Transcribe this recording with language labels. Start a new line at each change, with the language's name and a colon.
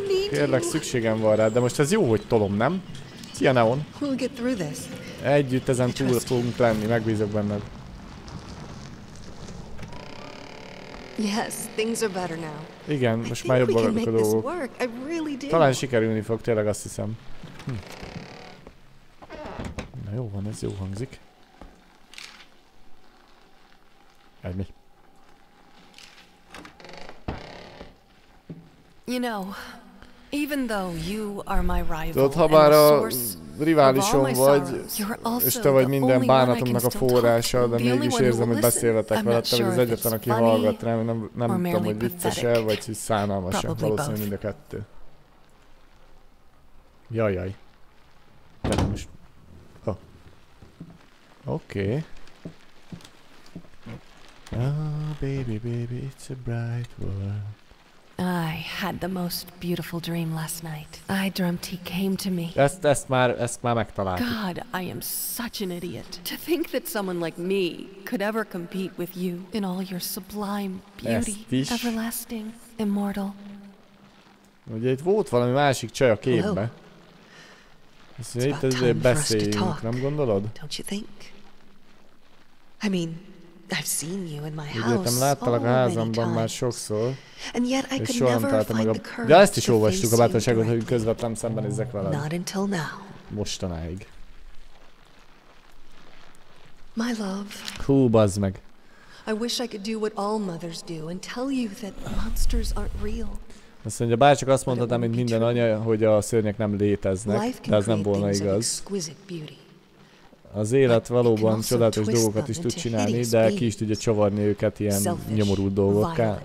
Hungarian: Kérlek, szükségem van rád, de most ez jó, hogy tolom, nem? Szia, Neon! Együtt ezen túl fogunk lenni, megbízok benned.
English: Yes, things are better now.
Hungarian: Igen, most már jobb valamik a dolgok. Talán sikerülni fog, tényleg azt hiszem. Na jó van, ez jó hangzik. Edmi.
English: You know, even though you are my rival,
Hungarian: tudod, ha bár a riválisom vagy, és te vagy minden bánatomnak a forrása, de mégis érzem, hogy beszélvetek veled, te vagy az egyetlen, aki hallgat rám, nem tudom, hogy vicces-e, vagy hogy szánalmas-e, valószínűleg mind a kettő. Jajjaj. Tehát most... Oh. Oké. Okay.
English: Oh, baby, baby, it's a bright world. I had the most beautiful dream last night. I dreamt he came to me.
Hungarian: Ezt már megtaláltuk.
English: God, I am such an idiot. To think that someone like me could ever compete with you in all your sublime beauty, everlasting, immortal.
Hungarian: Ugye itt volt valami másik csaj a képbe. Ezért beszéljünk, nem gondolod?
English: Don't you think? I mean, I've seen you in my house.
Hungarian: Ugyetem, láttalak a házamban már sokszor.
English: And yet I could never find the courage.
Hungarian: De ezt is olvastuk a bátorságot, hogy közvetlen szemben nézzek veled.
English: Not until now.
Hungarian: Mostanáig.
English: My love.
Hungarian: Hú, bazd meg.
English: I wish I could do what all mothers do and tell you that monsters aren't real.
Hungarian: Azt mondja, bárcsak azt mondhatnám, mint minden anya, hogy a szörnyek nem léteznek, de ez nem volna igaz. Az élet valóban csodálatos dolgokat is tud csinálni, de ki is tudja csavarni őket ilyen nyomorult dolgokká.